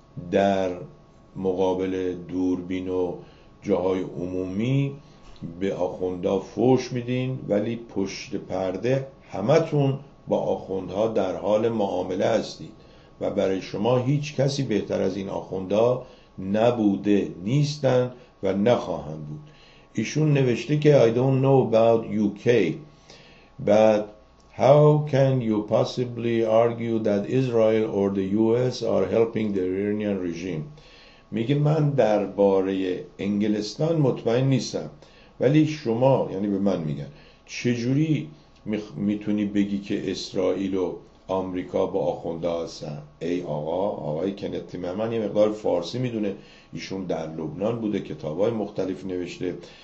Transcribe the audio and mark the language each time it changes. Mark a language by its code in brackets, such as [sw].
[fa] در مقابل دوربین و جاهای عمومی به آخوندها فوش میدین ولی پشت پرده همتون با آخوندها در حال معامله هستید و برای شما هیچ کسی بهتر از این آخوندها نبوده، نیستن و نخواهند بود. ایشون نوشته که [en] I don't know about UK but how can you possibly argue that Israel or the US are helping the Iranian regime. [fa] میگه من درباره انگلستان مطمئن نیستم ولی شما، یعنی به من میگن چجوری میتونی بگی که اسرائیل و آمریکا با آخوندها هستن؟ ای آقا، آقای کنت تیمرمن یه مقدار فارسی میدونه، ایشون در لبنان بوده، کتابای مختلف نوشته.